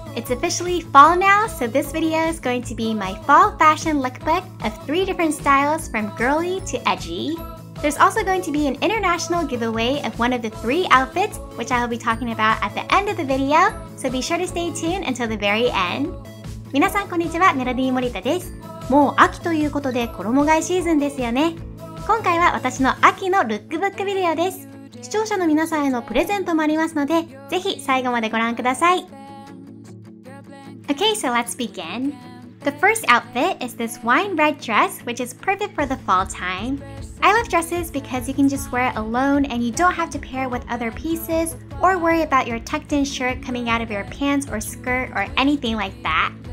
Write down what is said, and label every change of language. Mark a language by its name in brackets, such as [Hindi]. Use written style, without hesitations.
[English] It's officially fall now, so this video is going to be my fall fashion lookbook of three different styles from girly to edgy. There's also going to be an international giveaway of one of the three outfits, which I will be talking about at the end of the video, so be sure to stay tuned until the very end. [Japanese] 皆さんこんにちは、メロディー森田です。もう秋ということで衣替えシーズンですよね。今回は私の秋のルックブックビデオです。視聴者の皆さんへのプレゼントもありますので、ぜひ最後までご覧ください。 [English] Okay, so let's begin. The first outfit is this wine red dress, which is perfect for the fall time. I love dresses because you can just wear it alone and you don't have to pair it with other pieces or worry about your tucked-in shirt coming out of your pants or skirt or anything like that.